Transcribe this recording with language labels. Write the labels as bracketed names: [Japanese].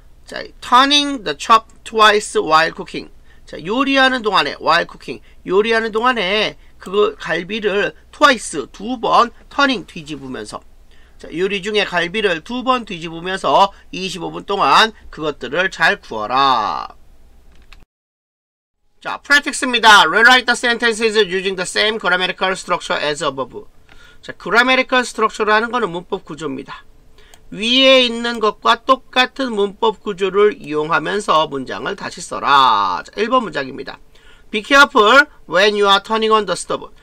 [English] 자, turning the chop twice while cooking. [Korean] 자, 요리하는 동안에, [English] while cooking. [Korean] 요리하는 동안에, 그 갈비를 twice, 두 번 turning, 뒤집으면서. 자, 요리 중에 갈비를 두 번 뒤집으면서 25분 동안 그것들을 잘 구워라. 자, practice입니다. [English] Rewrite the sentences using the same grammatical structure as above. [Korean] 자, grammatical structure라는 거는 문법 구조입니다. 위에 있는 것과 똑같은 문법 구조를 이용하면서 문장을 다시 써라. 자, 1번 문장입니다. [English] Be careful when you are turning on the stove.